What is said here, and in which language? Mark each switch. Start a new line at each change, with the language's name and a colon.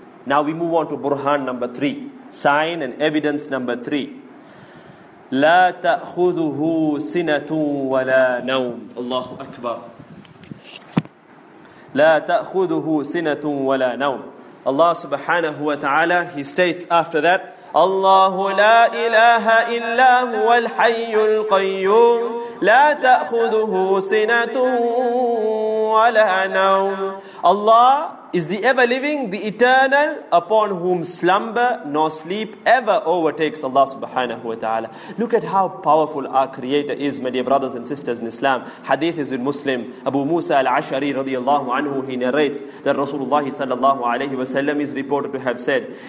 English: Now we move on to Burhan number 3, sign and evidence number 3.
Arabic: La ta'khudhuhu sinatun wala nawm. Allahu Akbar. لا تأخذه سنة ولا نوم.
English: Allah subhanahu wa ta'ala, He states after that,
Arabic: الله لا إله إلا هو الحي القيوم لا تأخذه سنة ولا نوم.
English: Allah is the ever-living, the eternal, upon whom slumber nor sleep ever overtakes. Allah subhanahu wa ta'ala. Look at how powerful our Creator is, my dear brothers and sisters in Islam. Hadith is in Muslim. Abu Musa al-Ash'ari radiallahu anhu, he narrates that Rasulullah sallallahu alayhi wa sallam is reported to have said,